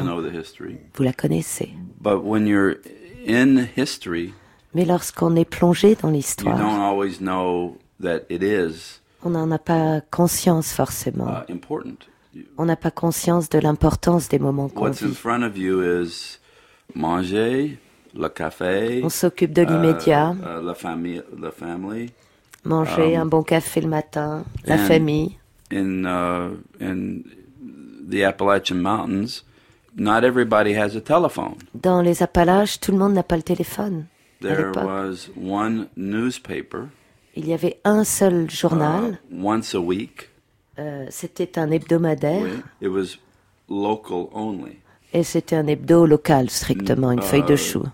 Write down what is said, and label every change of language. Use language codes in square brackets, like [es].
[en] You know the history. [fr] Vous la connaissez. [en] But when you're in history, [fr] mais lorsqu'on est plongé dans l'histoire, [en] you don't always know that it is. [fr] On n'en a pas conscience forcément. [en] Important. [fr] On n'a pas conscience de l'importance des moments qu'on [en] What's In front of you is [fr] manger, le café, on s'occupe de l'immédiat. La famille, manger un bon café le matin, la famille. [en] In the Appalachian Mountains, not everybody has a telephone. [fr] Dans les Appalaches, tout le monde n'a pas le téléphone. [en] There was one newspaper. [fr] Il y avait un seul journal. [en] Once a week. [fr] C'était un hebdomadaire. [en] Oui. It was local only. [fr] Et c'était un hebdo local, strictement, une feuille de chou.